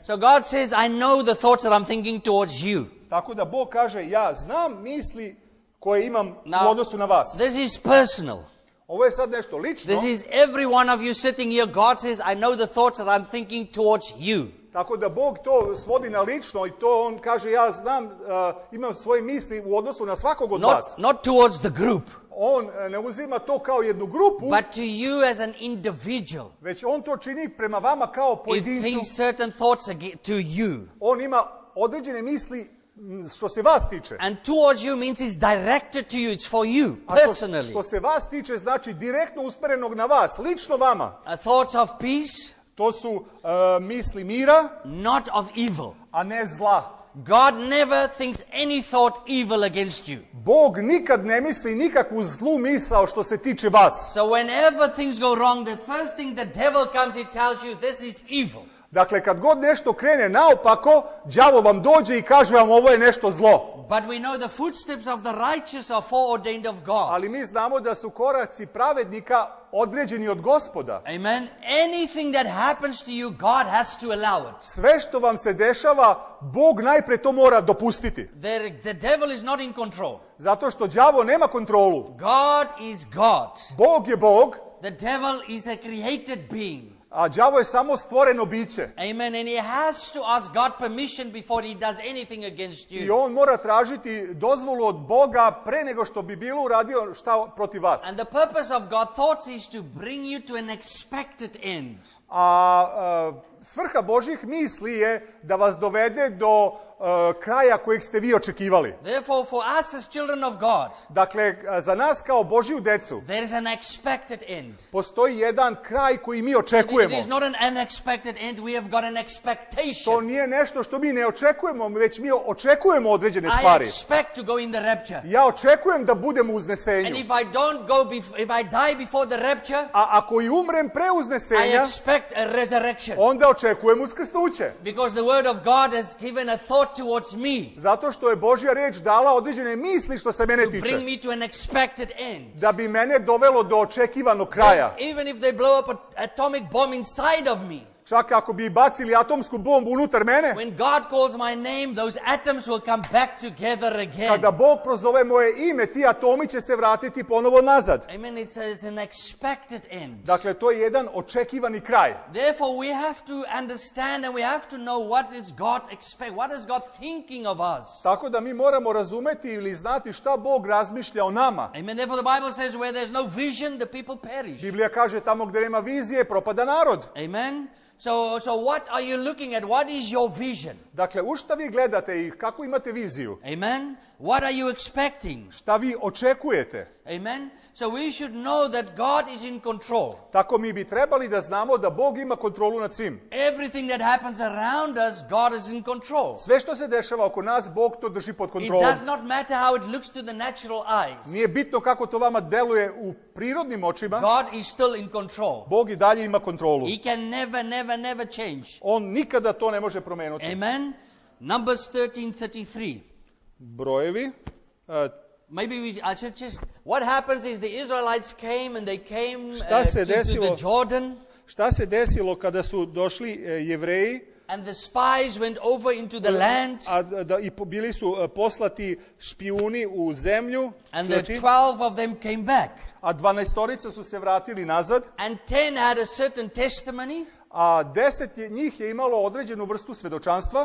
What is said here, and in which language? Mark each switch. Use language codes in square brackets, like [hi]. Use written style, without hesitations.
[en] So God says, I know the thoughts that I'm thinking towards you. [sr] Tako da Bog kaže, ja znam misli koje imam [en] now, [sr] u odnosu na vas. [en] This is personal. [sr] Ovo je sad nešto lično. [en] This is every one of you sitting here. God says, I know the thoughts that I'm thinking towards you. [sr] Tako da Bog to svodi na lično i to on kaže, ja znam, imam svoje misli u odnosu na svakog od vas. [en] Not towards the group. [sr] On ne uzima to kao jednu grupu. [en] But to you as an individual. [sr] Već on to čini prema vama kao pojedincu. [en] He thinks certain thoughts to you. [sr] On ima određene misli što se vas tiče. [en] And towards you means it's directed to you, it's for you, personally. [sr] A što se vas tiče znači direktno usmerenog na vas, lično vama. [en] A thoughts of peace. [sr] To su misli mira. [en] Not of evil. [sr] A ne zla. [en] God never thinks any thought evil against you. [sr] Bog nikad ne misli nikakvu zlu misao što se tiče vas. [en] So whenever things go wrong, the first thing the devil comes and tells you, this is evil. [sr] Dakle, kad god nešto krene naopako, đavo vam dođe i kaže vam ovo je nešto zlo. [en] But we know the footsteps of the righteous are foreordained of God. [sr] Ali mi znamo da su koraci pravednika određeni od Gospoda. [en] Amen. Anything that happens to you, God has to allow it. [sr] Sve što vam se dešava, Bog najpre to mora dopustiti. [en] The devil is not in control. [sr] Zato što đavo nema kontrolu. [en] God is God. [sr] Bog je Bog. [en] The devil is a created being. [sr] A đavo je samo stvoreno biće. [en] Amen. And he has to ask God permission before he does anything against you. [sr] I on mora tražiti dozvolu od Boga pre nego što bi bilo uradio šta protiv vas. [en] And the purpose of God's thoughts is to bring you to an expected end. [sr] A svrha Božjih misli je da vas dovede do kraja kojeg ste vi očekivali. [en] Therefore, for us as children of God, [sr] dakle, za nas kao Božiju decu, [en] there is an expected end. [sr] Postoji jedan kraj koji mi očekujemo. [en] It is not an unexpected end, we have got an expectation. [sr] To nije nešto što mi ne očekujemo, već mi očekujemo određene stvari. [en] I expect to go in the rapture. [sr] Ja očekujem da budem u uznesenju. [en] And if I don't go if I die before the rapture, [sr] a ako i umrem pre uznesenja, [en] I expect a resurrection. [sr] Onda očekujem uskrsnuće. [en] Because the word of God has given a thought towards me. [sr] Zato što je Božja reč dala određene misli što se mene tiče. [en] To bring me to an expected end. [sr] Da bi mene dovelo do očekivanog kraja. [en] Even if they blow up an atomic bomb inside of me. [sr] Čak ako bi bacili atomsku bombu unutar mene. [en] When God calls my name, those atoms will come back together again. [sr] Kada Bog prozove moje ime, ti atomi će se vratiti ponovo nazad. [en] Amen. It's an expected end. [sr] Dakle, to je jedan očekivani kraj. [en] Therefore we have to understand and we have to know what is God expect, what is God thinking of us. [sr] Tako da mi moramo razumeti ili znati šta Bog razmišlja o nama. [en] Amen. Therefore the Bible says where there's no vision, the people perish. [sr] Biblija kaže tamo gdje nema vizije, propada narod. [en] Amen. So what are you looking at? What is your vision? [sr] Dakle, u šta vi gledate i kako imate viziju? [en] Amen. What are you expecting? [sr] Šta vi očekujete? [en] Amen. So we should know that God is in control. [sr] Tako mi bi trebali da znamo da Bog ima kontrolu nad svim. [en] Everything that happens around us, God is in control. [sr] Sve što se dešava oko nas, Bog to drži pod kontrolom. [en] It does not matter how it looks to the natural eyes. [sr] Nije bitno kako to vama deluje u prirodnim očima. [en] God is still in control. [sr] Bog i dalje ima kontrolu. [en] He can never, never, never change. [sr] On nikada to ne može promijeniti. [en] Amen. Numbers 13:33. [sr] Brojevi. [en] Maybe we should just what happens is the Israelites came and they came to the Jordan. [sr] Šta se desilo kada su došli Jevreji? [en] And the spies went over into the land. [sr] Bili su poslati špijuni u zemlju. [en] And the 12 of them came back. [sr] A 12-orica su se vratili nazad. [en] And 10 had a certain testimony. [sr] A 10 njih je imalo određenu vrstu svedočanstva.